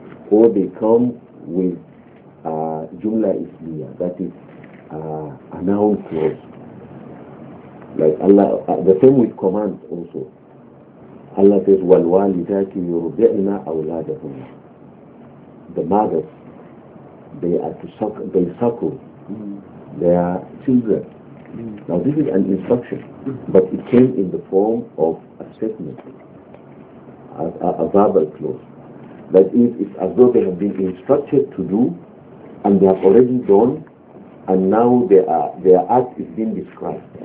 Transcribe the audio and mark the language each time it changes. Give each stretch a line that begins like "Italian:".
English: Or they come with jumla ismiya, that is a noun clause. Like Allah, the same with command also. Allah says,
Arabic: وَالْوَالِدَاتِ يُرْضِعْنَا أَوْلَادَهُمْ.
English: The mothers, they are to suckle their children. Now this is an instruction, but it came in the form of a statement, a verbal clause. That is, it's as though they have been instructed to do, and they have already done, and now their act is being described.